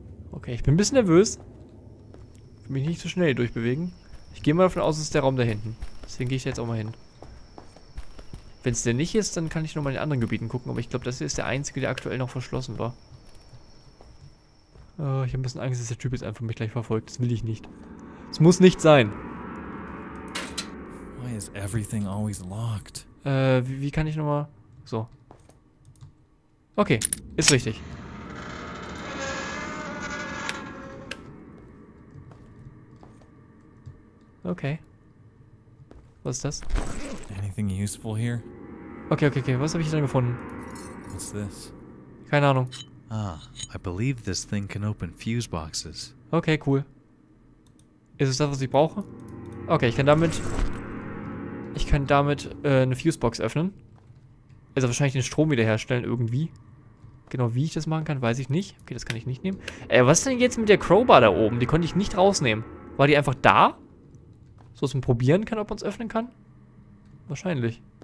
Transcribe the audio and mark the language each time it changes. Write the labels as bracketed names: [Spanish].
[German] Okay, ich bin ein bisschen nervös. Ich will mich nicht so schnell durchbewegen. Ich gehe mal davon aus, es ist der Raum da hinten. Deswegen gehe ich da jetzt auch mal hin. Wenn es der nicht ist, dann kann ich nochmal in den anderen Gebieten gucken. Aber ich glaube, das hier ist der einzige, der aktuell noch verschlossen war. Ich habe ein bisschen Angst, dass der Typ jetzt einfach mich gleich verfolgt. Das will ich nicht. Es muss nicht sein. [English] Why is everything always locked? [German] Wie kann ich nochmal... So. Okay, ist richtig. Okay. Was ist das? [English] Anything useful here? [German] Okay. Was habe ich hier denn gefunden? [English] What's this? [German] Keine Ahnung. [English] Ah, I believe this thing can open fuse boxes. [German] Okay, cool. Ist es das, was ich brauche? Okay, ich kann damit... eine Fusebox öffnen. Also wahrscheinlich den Strom wiederherstellen irgendwie. Genau wie ich das machen kann, weiß ich nicht. Okay, das kann ich nicht nehmen. Was ist denn jetzt mit der Crowbar da oben? Die konnte ich nicht rausnehmen. War die einfach da? So, dass man probieren kann, ob man es öffnen kann? Wahrscheinlich.